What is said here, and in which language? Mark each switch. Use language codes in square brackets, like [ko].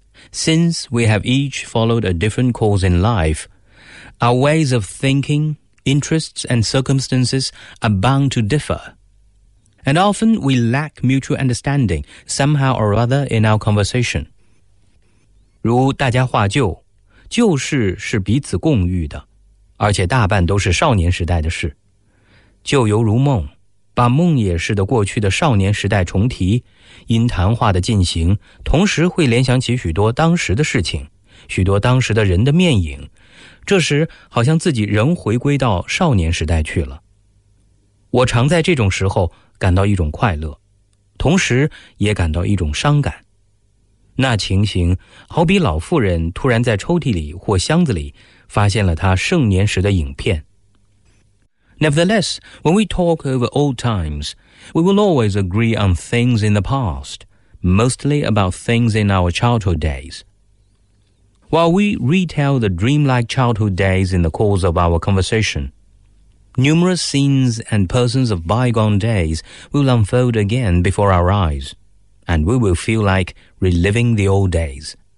[en] Since we have each followed a different course in life,Our ways of thinking, interests, and circumstances are bound to differ. And often we lack mutual understanding somehow or other in our conversation. [zh] 如大家话旧，旧事是彼此共遇的，而且大半都是少年时代的事。旧犹如梦，把梦也似的过去的少年时代重提，因谈话的进行，同时会联想起许多当时的事情，许多当时的人的面影。这时好像自己仍回归到少年时代去了。我常在这种时候感到一种快乐，同时也感到一种伤感。那情形好比老妇人突然在抽屉里或箱子里发现了她盛年时的影片。 [en] Nevertheless, when we talk over old times, we will always agree on things in the past, mostly about things in our childhood days. While we retell the dreamlike childhood days in the course of our conversation, numerous scenes and persons of bygone days will unfold again before our eyes, and we will feel like reliving the old days.